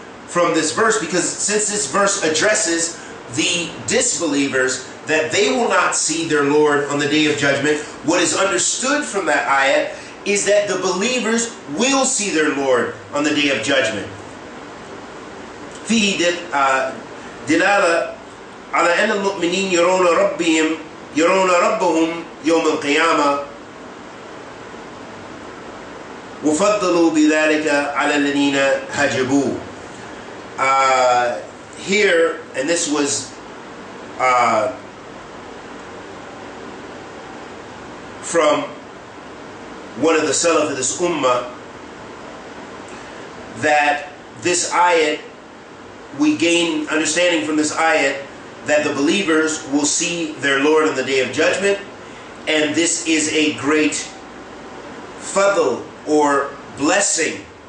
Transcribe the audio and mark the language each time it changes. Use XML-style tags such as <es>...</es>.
<en>from this verse, because since this verse addresses the disbelievers that they will not see their Lord on the day of judgment, what is understood from that ayah is that the believers will see their Lord on the day of judgment.</en> <ar>فيه دلالة على أن المؤمنين يرون ربهم يرون ربهم يوم القيامة وفضلوا بذلك على الذين هجبوا.</ar> <en>Here, and this was from one of the Salaf of this Ummah, that this ayat, we gain understanding from this ayat that the believers will see their Lord on the Day of Judgment, and this is a great fadl or blessing</en>